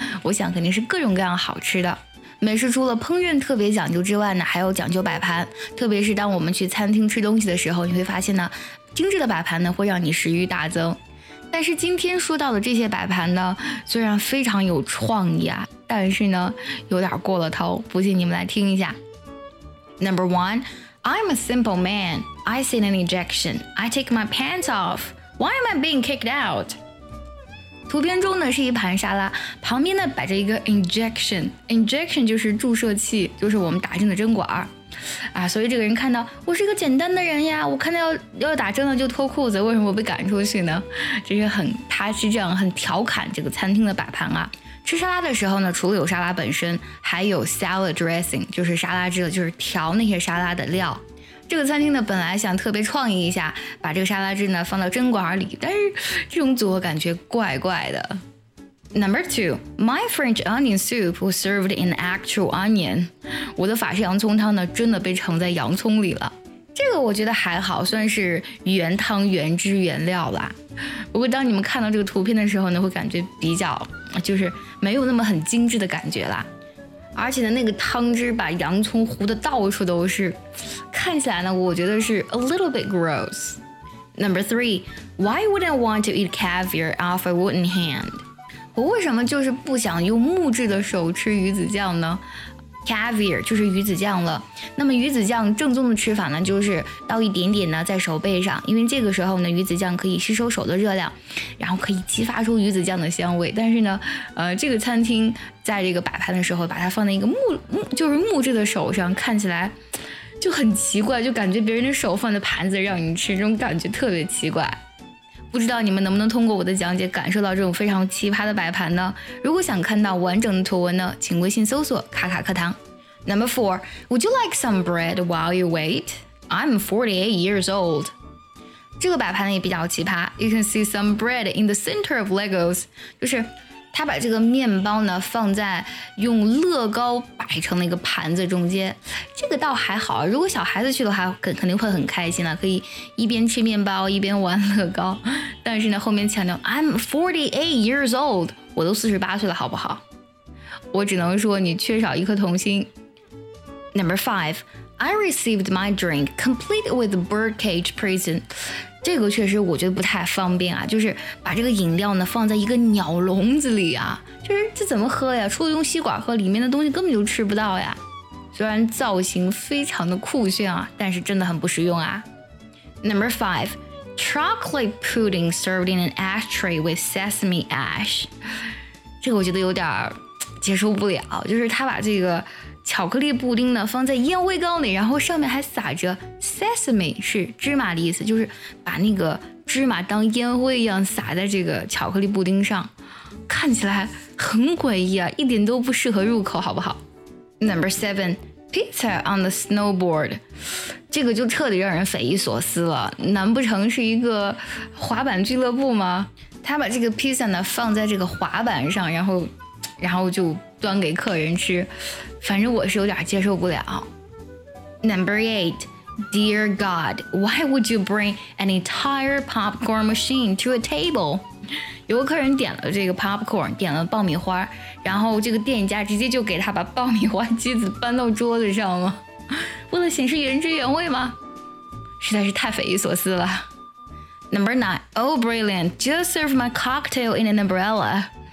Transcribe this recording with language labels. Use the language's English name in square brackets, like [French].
[Chinese] 我想肯定是各种各样好吃的。美食除了烹饪特别讲究之外呢，还有讲究摆盘。特别是当我们去餐厅吃东西的时候，你会发现呢，精致的摆盘呢会让你食欲大增。但是今天说到的这些摆盘呢，虽然非常有创意啊，但是呢有点过了头。不信你们来听一下。 [English] Number one, I'm a simple man. I sit in ejection. I take my pants off. Why am I being kicked out? [Chinese] 图片中呢是一盘沙拉，旁边呢摆着一个 injection 就是注射器，就是我们打针的针管儿啊。所以这个人看到我是个简单的人呀，我看到要打针了就脱裤子，为什么被赶出去呢？就是很，他是这样很调侃这个餐厅的摆盘啊。吃沙拉的时候呢，除了有沙拉本身，还有 salad dressing， 就是沙拉汁，就是调那些沙拉的料。这个餐厅呢本来想特别创意一下，把这个沙拉汁呢放到针管里，但是这种组合感觉怪怪的。 [English] Number two, my French onion soup was served in actual onion. [Chinese] 我的法式洋葱汤呢真的被盛在洋葱里了。这个我觉得还好，算是原汤原汁原料啦。不过当你们看到这个图片的时候呢，会感觉比较就是没有那么很精致的感觉啦。而且呢那个汤汁把洋葱糊的到处都是，看起来呢我觉得是 [English] a little bit gross. Number three, why wouldn't I want to eat caviar off a wooden hand? [Chinese] 我为什么就是不想用木质的手吃鱼子酱呢？ Caviar 就是鱼子酱了。那么鱼子酱正宗的吃法呢，就是倒一点点呢在手背上，因为这个时候呢鱼子酱可以吸收手的热量，然后可以激发出鱼子酱的香味。但是呢这个餐厅在这个摆盘的时候把它放在一个木质的手上，看起来就很奇怪，就感觉别人的手放在盘子让你吃，这种感觉特别奇怪。不知道你们能不能通过我的讲解感受到这种非常奇葩的摆盘呢？如果想看到完整的图文呢，请微信搜索卡卡课堂。 [English] Number four, would you like some bread while you wait? I'm 48 years old. [Chinese] 这个摆盘也比较奇葩， [English] You can see some bread in the center of Legos. [Chinese] 就是他把这个面包呢放在用乐高摆成了一个盘子中间，这个倒还好，如果小孩子去的话肯定会很开心了，可以一边吃面包一边玩乐高。但是呢后面强调 [English] I'm 48 years old， [Chinese] 我都48岁了好不好，我只能说你缺少一颗童心。 [English] Number five, I received my drink complete with birdcage prison. [Chinese] 这个确实我觉得不太方便啊，就是把这个饮料呢放在一个鸟笼子里啊，就是这怎么喝呀，除了用吸管喝，里面的东西根本就吃不到呀。虽然造型非常的酷炫啊，但是真的很不实用啊。 [English] Number five, chocolate pudding served in an ashtray with sesame ash. [Chinese] 这个我觉得有点接受不了，就是他把这个巧克力布丁呢放在烟灰缸里，然后上面还撒着 sesame， 是芝麻的意思，就是把那个芝麻当烟灰一样撒在这个巧克力布丁上，看起来很诡异啊，一点都不适合入口好不好。 [English] Number seven, pizza on the snowboard， [Chinese] 这个就彻底让人匪夷所思了，难不成是一个滑板俱乐部吗？他把这个 pizza 呢放在这个滑板上，然后就端给客人吃，反正我是有点接受不了。 [English] Number eight, dear God, why would you bring an entire popcorn machine to a table? [Chinese] 有个客人点了这个 popcorn， 点了爆米花，然后这个店家直接就给他把爆米花机子搬到桌子上吗？为了显示原汁原味吗？实在是太匪夷所思了。 [English] Number nine, oh brilliant, just serve my cocktail in an umbrella.